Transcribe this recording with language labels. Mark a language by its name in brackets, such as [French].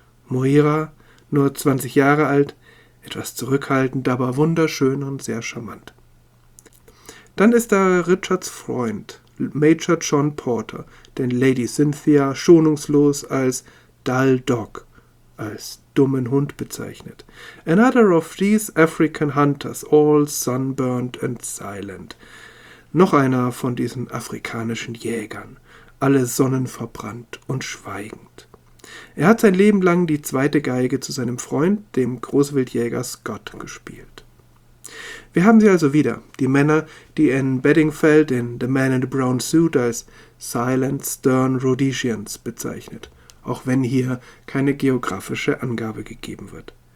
[German] Moira, nur 20 Jahre alt, etwas zurückhaltend, aber wunderschön und sehr charmant. Dann ist da Richards Freund, Major John Porter, den Lady Cynthia schonungslos als Dull Dog, als dummen Hund bezeichnet. [English] Another of these African hunters, all sunburned and silent. [German] Noch einer von diesen afrikanischen Jägern, alle sonnenverbrannt und schweigend. Er hat sein Leben lang die zweite Geige zu seinem Freund, dem Großwildjäger Scott, gespielt. Wir haben sie also wieder, die Männer, die in Bedingfeld in The Man in the Brown Suit als Silent Stern Rhodesians bezeichnet, auch wenn hier keine geografische Angabe gegeben wird.